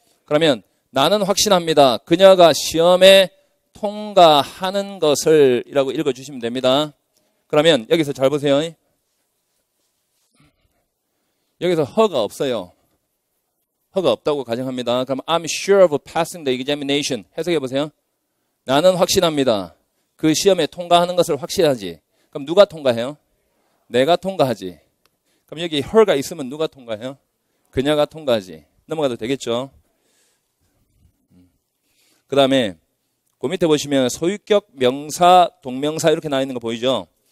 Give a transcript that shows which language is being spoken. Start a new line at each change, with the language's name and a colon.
Korean: 그러면 나는 확신합니다. 그녀가 시험에 통과하는 것을이라고 읽어주시면 됩니다. 그러면 여기서 잘 보세요. 여기서 허가 없어요. 허가 없다고 가정합니다.
English: 그럼 I'm sure of passing the examination.
Korean: 해석해 보세요. 나는 확신합니다. 그 시험에 통과하는 것을 확신하지. 그럼 누가 통과해요? 내가 통과하지. 그럼 여기 her가 있으면 누가 통과해요? 그녀가 통과하지. 넘어가도 되겠죠? 그 다음에 그 밑에 보시면 소유격, 명사, 동명사 이렇게 나와 있는 거 보이죠?